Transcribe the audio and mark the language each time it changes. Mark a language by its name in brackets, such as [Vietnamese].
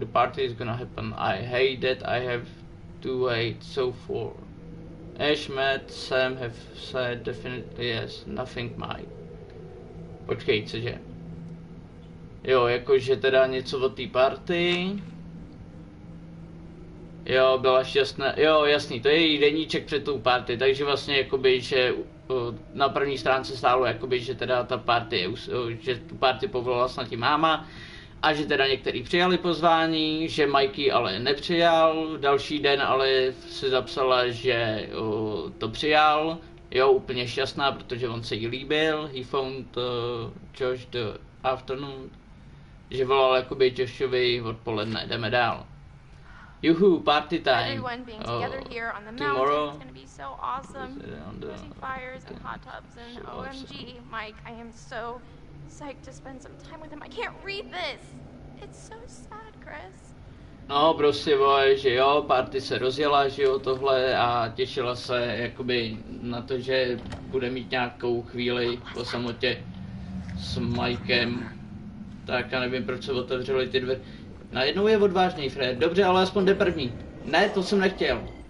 [English] The party is gonna happen. I hate that I have. Two, eight, so four. Ash, Matt, Sam have said definitely yes, nothing might. [Czech] Počkej, cože? Jo, jakože teda něco o té party. Jo, byla šťastná, jo, jasný, to je její deníček před tou party, takže vlastně jakoby, že na první stránce stálo jakoby, že teda ta party, že tu party povolala snad i máma. A že teda některý přijali pozvání, že Mikey ale nepřijal, další den ale se zapsala, že to přijal, jo, úplně šťastná, protože on se jí líbil, [English] he found Josh the afternoon, [Czech] že volal jakoby Joshovi odpoledne, jdeme dál. [English] Juhu, party time. Tomorrow. It's gonna be so awesome. Using fires and hot tubs and so OMG, awesome. Mike, I am so psyched to spend some time with him. I can't read this. It's so sad, Chris. [Czech] No, prostě vole, že jo, party se rozjela, že jo, tohle a těšila se jakoby na to, že bude mít nějakou chvíli po samotě s Mikem. Tak já nevím, proč se otevřely ty dveře. Najednou je odvážný, Fred. Dobře, ale aspoň jde první. Ne, to jsem nechtěl.